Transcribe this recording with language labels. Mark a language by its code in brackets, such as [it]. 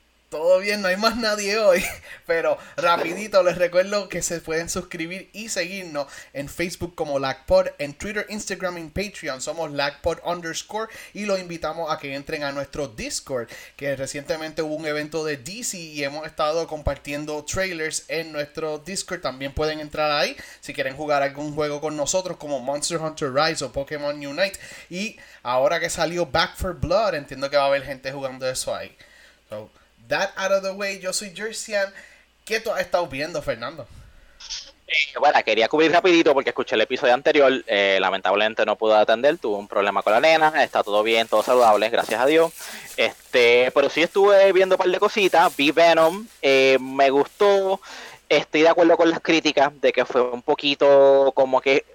[es] Todo bien, no hay más nadie hoy, pero rapidito les recuerdo que se pueden suscribir y seguirnos en Facebook como LAGPOD, en Twitter, Instagram y Patreon somos LAGPOD _, y los invitamos a que entren a nuestro Discord, que recientemente hubo un evento de DC y hemos estado compartiendo trailers en nuestro Discord. También pueden entrar ahí si quieren jugar algún juego con nosotros como Monster Hunter Rise o Pokémon Unite, y ahora que salió Back 4 Blood, entiendo que va a haber gente jugando eso ahí. [en] So, that out of the way, [es] yo soy [en] Jerseyan. [es] ¿Qué tú has estado viendo, Fernando? Bueno, quería cubrir rapidito porque escuché el episodio anterior. Lamentablemente no pude atender, tuve un problema con la nena. Está todo bien, todo saludable, gracias a Dios. Pero sí estuve viendo un par de cositas. Vi Venom, me gustó. Estoy de acuerdo con las críticas de que fue un poquito como que...